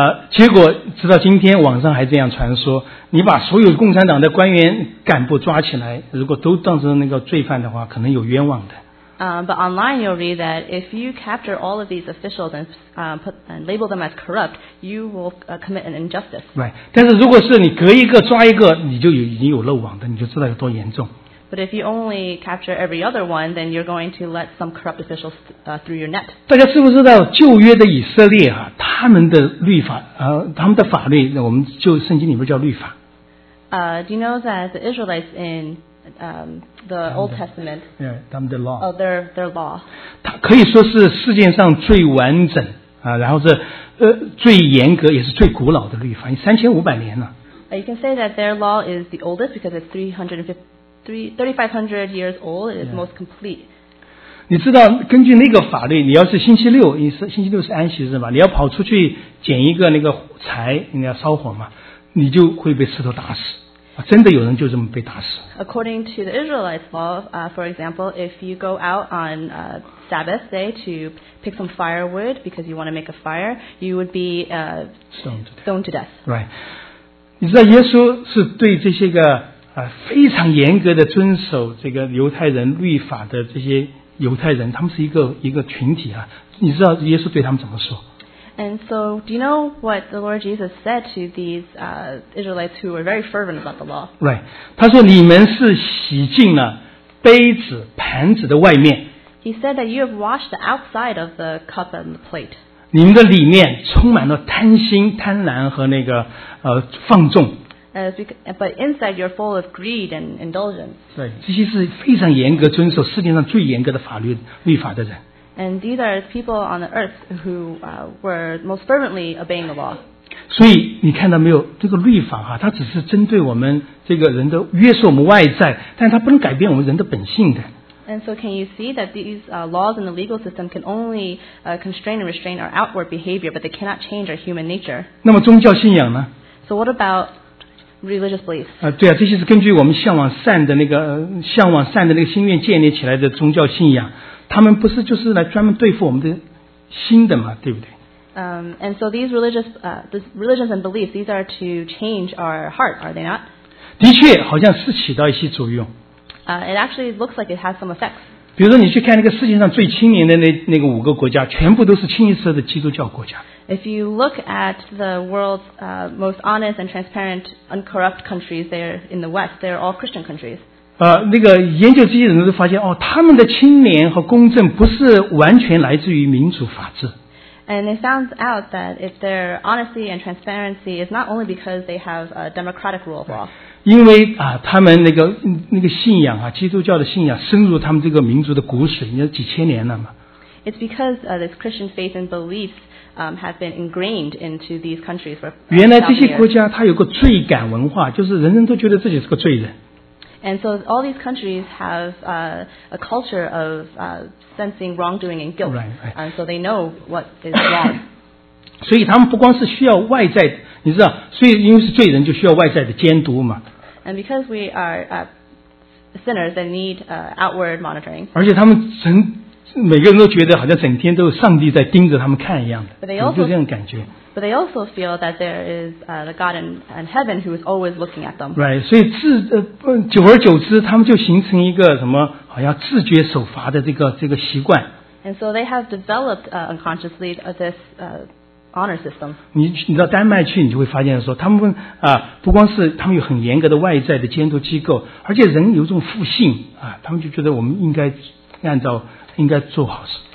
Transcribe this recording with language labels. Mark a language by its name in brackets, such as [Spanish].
[Chinese] 结果直到今天网上还这样传说，你把所有共产党的官员干部抓起来，如果都当成那个罪犯的话，可能有冤枉的。 [English] But online you'll read that if you capture all of these officials and label them as corrupt, you will commit an injustice. Right. [Chinese] 但是如果是你隔一个抓一个，你就已经有漏网的，你就知道有多严重。 [English] But if you only capture every other one, then you're going to let some corrupt officials through your net. [Chinese] 大家知不知道旧约的以色列啊, 他们的律法, 他们的法律, 我们就圣经里面叫律法。 [English] Do you know that the Israelites in the Old Testament, their law, [Chinese] 可以说是世界上最完整, 然后是最严格也是最古老的律法, 3500年了。 [English] You can say that their law is the oldest because it's 3500 years old, it is most complete. [Chinese] 你知道根据那个法律，你要是星期六，星期六是安息日嘛，你要跑出去捡一个那个柴，你要烧火嘛，你就会被石头打死。真的有人就这么被打死。 [English] According to the Israelites' law, for example, if you go out on Sabbath day to pick some firewood because you want to make a fire, you would be stoned to death. Right. [Chinese] 你知道耶稣是对这些个非常严格的遵守这个犹太人律法的这些犹太人，他们是一个群体啊。你知道耶稣对他们怎么说？ [English] And so, do you know what the Lord Jesus said to these Israelites who were very fervent about the law? Right. [Chinese] 他说你们是洗净了杯子、盘子的外面。 [English] He said that you have washed the outside of the cup and the plate. [Chinese] 你们的里面充满了贪心、贪婪和那个放纵。 [English] But inside you're full of greed and indulgence. [Chinese] 对，这些是非常严格遵守世界上最严格的律法的人。 [English] And these are people on the earth who were most fervently obeying the law. [Chinese] 所以你看到没有，这个律法啊，它只是针对我们这个人的约束，我们外在，但它不能改变我们人的本性的。 [English] And so can you see that these laws in the legal system can only constrain and restrain our outward behavior, but they cannot change our human nature? [Chinese] 那么宗教信仰呢？ [English] So what about religious beliefs? [Chinese] 对啊，这些是根据我们向往善的那个心愿建立起来的宗教信仰。他们不是就是来专门对付我们的心的嘛，对不对？ [English] And so these religious, religions and beliefs, these are to change our heart, are they not? [Chinese] 的确，好像是起到一些作用。 [English] It actually looks like it has some effects. [Chinese] 比如说，你去看那个世界上最青年的那个五个国家，全部都是清一色的基督教国家。 [English] If you look at the world's most honest and transparent, uncorrupt countries, they're in the West. They're all Christian countries. [Chinese] 那个研究这些人都发现，哦，他们的清廉和公正不是完全来自于民主法治。 [English] And they found out that if their honesty and transparency is not only because they have a democratic rule of law. [Chinese] 因为他们那个信仰啊，基督教的信仰深入他们这个民族的骨髓，你看几千年了嘛。 [English] It's because this Christian faith and beliefs have been ingrained into these countries for. [Chinese] 原来这些国家它有个罪感文化，就是人人都觉得自己是个罪人。 [English] And so all these countries have a culture of sensing wrongdoing and guilt. Right, right. And so they know what is wrong. [Chinese] 所以他们不光是需要外在，你知道，所以因为是罪人就需要外在的监督嘛。 [English] And because we are sinners, they need outward monitoring. [Chinese] 而且他们每个人都觉得好像整天都有上帝在盯着他们看一样的，就这样感觉。 [English] But they also feel that there is the God in heaven who is always looking at them. Right. [Chinese] 所以久而久之，他们就形成一个什么，好像自觉守罚的这个习惯。 [English] And so they have developed unconsciously this honor system. [Chinese] 你到丹麦去，你就会发现说，他们不光是他们有很严格的外在的监督机构，而且人有一种复性他们就觉得我们应该按照应该做好事。